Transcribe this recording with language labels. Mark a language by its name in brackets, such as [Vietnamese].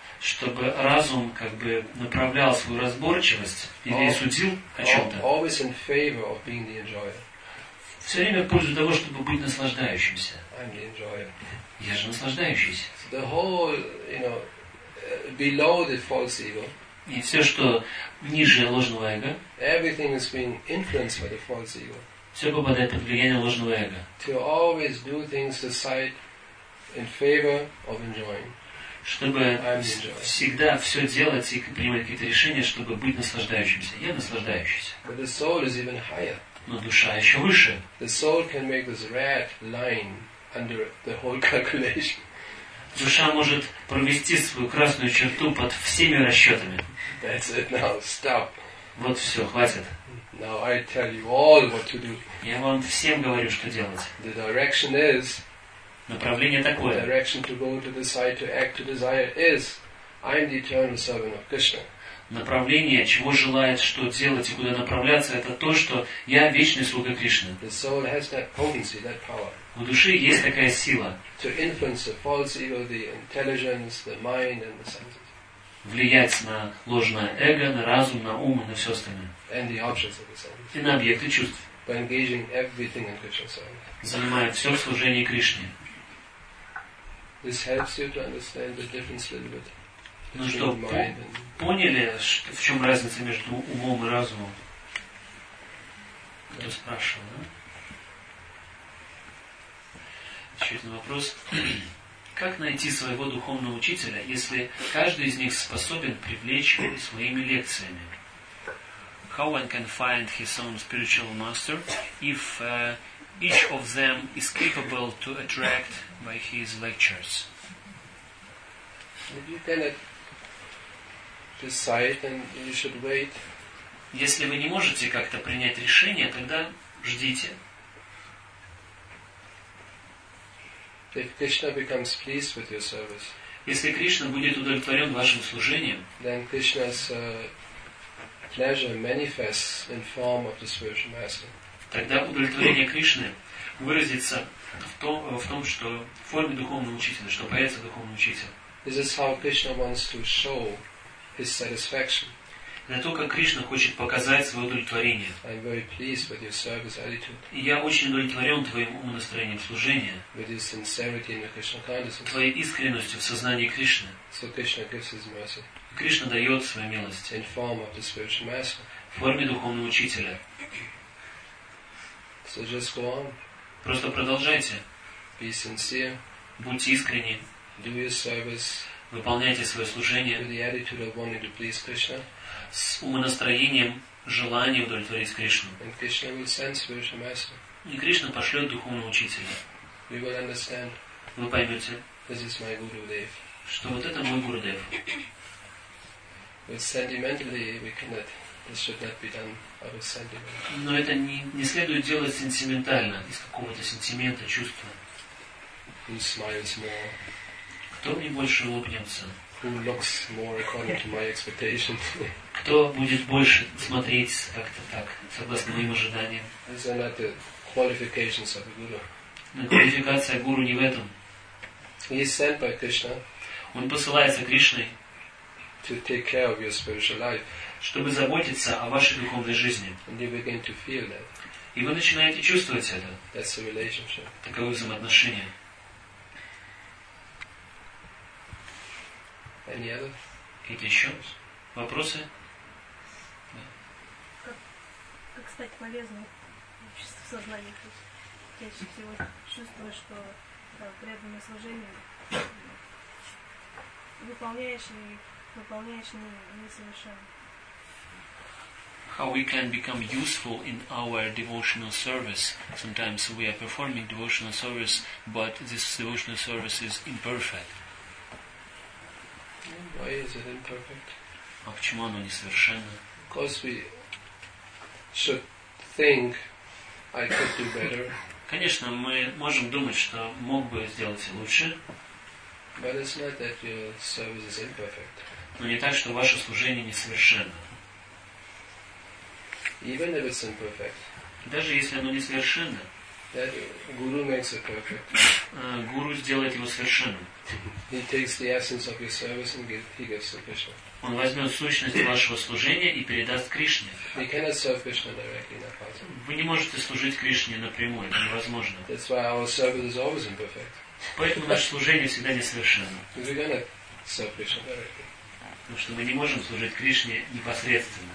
[Russian] Чтобы разум как бы направлял свою разборчивость или судил о чем-то. [English] Always in favor of being the enjoyer. [Russian] Все время в пользу того, чтобы быть наслаждающимся. [English] I'm the enjoyer. [Russian] Я же наслаждающийся. [English] The whole, you know, below the false ego. [Russian] И все, что ниже ложного эго. [English] Everything is being influenced by the false ego. [Russian] Все попадает под влияние ложного эго. [English] To always do things to side in favor of enjoying. [Russian] Чтобы всегда все делать и принимать какие-то решения, чтобы быть наслаждающимся. Я наслаждающийся. [English] But the soul is even higher. [Russian] Но душа еще выше. [English] The soul can make this red line under the whole calculation. [Russian] Душа может провести свою красную черту под всеми расчетами. [English] That's it now. Stop. [Russian] Вот все, хватит. [English] Now I tell you all what to do. [Russian] Я вам всем говорю, что делать. [English] The direction is. [Russian] Направление такое. [English] The direction to go to decide to act to desire is I am the eternal servant of Krishna. [Russian] Направление, чего желает, что делать и куда направляться, это то, что я вечный слуга Кришны. [English] The soul has that potency, that power. [Russian] У души есть такая сила. [English] To influence the false ego, the intelligence, the mind and the senses. [Russian] Влиять на ложное эго, на разум, на ум и на все остальное. [English] And the objects of the senses. [Russian] И на объекты чувств. [English] By engaging everything in Krishna service. [Russian] Занимает все в служении Кришне. [English] This helps you to understand the difference a little bit. [Russian] Ну что, поняли, в чем разница между умом и разумом? Кто спрашивал, да? Еще один вопрос. Как найти своего духовного учителя, если каждый из них способен привлечь своими лекциями? [English] How one can find his own spiritual master if each of them is capable to attract by his lectures? If you cannot decide, then you should wait. [Russian] Если вы не можете как-то принять решение, тогда ждите. [English] If Krishna becomes pleased with your service, [Russian] если Кришна будет удовлетворен вашим служением, [English] then Krishna's pleasure manifests in form of the spiritual master. [Russian] Тогда удовлетворение Кришны выразится в том, что в форме духовного учителя, что появится духовный учитель. [English] This is how Krishna wants to show his satisfaction. [Russian] Это то, как Кришна хочет показать свое удовлетворение. [English] I'm very pleased with your service attitude. [Russian] И я очень удовлетворен твоим умом, настроением служения. [English] With your sincerity in your Krishna consciousness. [Russian] Твоей искренностью в сознании Кришны. [English] So Krishna gives his mercy. [Russian] Кришна дает свою милость. [English] In form of the spiritual master. [Russian] В форме духовного учителя. [English] So just go on. [Russian] Просто продолжайте. [English] Be sincere. [Russian] Будьте искренни. [English] Do your service. [Russian] Выполняйте свое служение. [English] With the attitude of wanting to please Krishna. [Russian] С умонастроением желания удовлетворить Кришну. [English] And Krishna will send spiritual master. [Russian] И Кришна пошлет духовного учителя. [English] We will understand. [Russian] Вы поймете. [English] this is my Gurudev. [Russian] Что вот это мой Гурудев. [English] With sentimentally we cannot, this should not be done out of sentiment. [Russian] Но это не следует делать сентиментально, из какого-то сентимента, чувства. [English] Who smiles more? [Russian] Кто мне больше улыбнется? [English] Who looks more according to my expectations? [Russian] Кто будет больше смотреть как-то так, согласно моим ожиданиям? [English] These are not the qualifications of a guru. [Russian] Но квалификация гуру не в этом. [English] He is sent by Krishna. [Russian] Он посылается Кришной. [English] To take care of your spiritual life. [Russian] Чтобы заботиться о вашей духовной жизни. [English] And you begin to feel that. [Russian] И вы начинаете чувствовать это. [English] That's a relationship. [Russian] Таковы взаимоотношения. [English] Any other? [Russian] Какие-то еще вопросы? Как стать полезным в сознании? Я чаще всего чувствую, что да, преданное служение выполняешь не совершенно. [English] How we can become useful in our devotional service. Sometimes we are performing devotional service, but this devotional service is imperfect. Why is it imperfect? [Russian] А почему оно несовершенно? [English] Because we should think I could do better. [Russian] Конечно, мы можем думать, что мог бы сделать лучше. [English] But it's not that your service is imperfect. [Russian] Но не так, что ваше служение несовершенно. [English] Even if it's imperfect. [Russian] Даже если оно несовершенно. [English] That guru makes it perfect. [Russian] Гуру сделает его совершенным. [English] He takes the essence of your service and gives to Krishna. [Russian] Он возьмет сущность вашего служения и передаст Кришне. [English] You cannot serve Krishna directly, not possible. [Russian] Вы не можете служить Кришне напрямую, это невозможно. [English] That's why our service is always imperfect. [Russian] Поэтому наше служение всегда несовершенно. [English] We cannot serve Krishna directly. [Russian] Потому что мы не можем служить Кришне непосредственно.